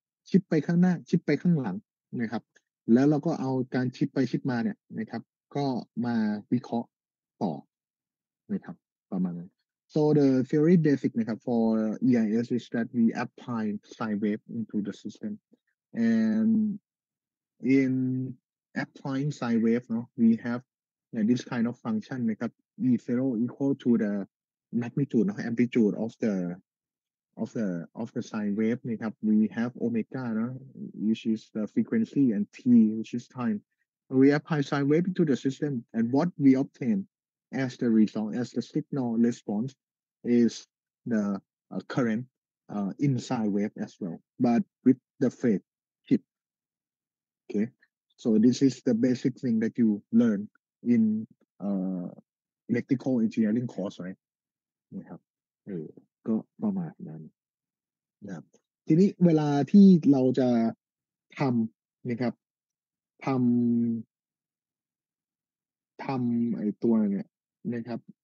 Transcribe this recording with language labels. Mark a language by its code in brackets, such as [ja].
[th] ชิปไปข้างหน้าชิปไปข้างหลังนะครับแล้วเราก็เอาการชิปไปชิปมาเนี่ยนะครับก็มาวิเคราะห์ต่อนะครับประมาณนั้น [en] so the theory basic นะครับ for EIS is that we apply sine wave into the system and in applying sine wave เนาะ we haveAnd this kind of function, E0 equal to the magnitude, no, amplitude of the sine wave. No, we have omega, no, which is the frequency, and t, which is time. We apply sine wave into the system, and what we obtain as the result, as the signal response, is the current in sine wave as well, but with the phase shift. Okay, so this is the basic thing that you learn. In electrical engineering course right [th] นะครับก็ประมาณนั้นนะทีนี้เวลาที่เราจะทำนะครับทำไอตัวเนี่ยนะครับ